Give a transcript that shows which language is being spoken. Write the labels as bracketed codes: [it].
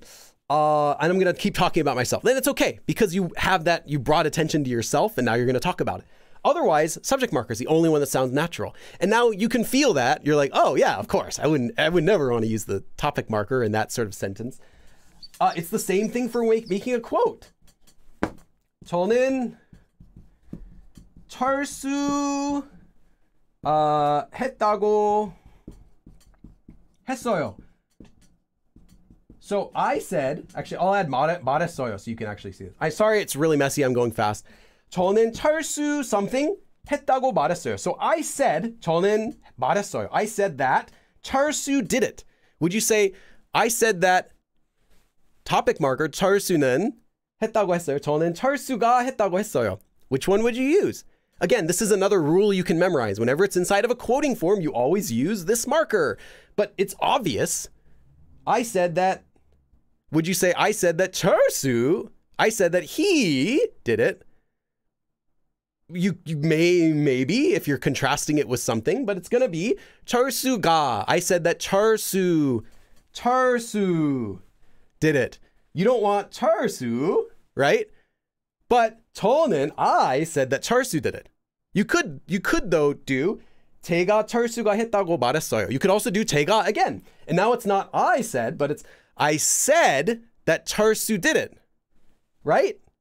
[en] and I'm going to keep talking about myself. Then it's okay because you have that, you brought attention to yourself and now you're going to talk about it. Otherwise, subject marker is the only one that sounds natural. And now you can feel that. You're like, oh yeah, of course. I would never want to use the topic marker in that sort of sentence. It's the same thing for making a quote. [ko] 저는 철수 했다고 했어요. [en] So I said, actually, I'll add 말했어요 so you can actually see this. I'm sorry, it's really messy. I'm going fast. [ko] 저는 철수 something 했다고 말했어요. [en] So I said, [ko] 저는 말했어요. [en] I said that 철수 did it. Would you say, I said that topic marker 철수는 [ko] 했다고 했어요. 저는 철수가 했다고 했어요. [en] Which one would you use? Again, this is another rule you can memorize. Whenever it's inside of a quoting form, you always use this marker. But it's obvious. I said that. Would you say, I said that he did it. You may, maybe, if you're contrasting it with something, but it's going to be 철수가. I said that 철수 did it. You don't want 철수, right? But 저는, I said that 철수 did it. You could though do [ko] 제가 철수가 했다고 말했어요. [en] You could also do 제가 again. And now it's not I said, but it's I said that 철수 did it, right?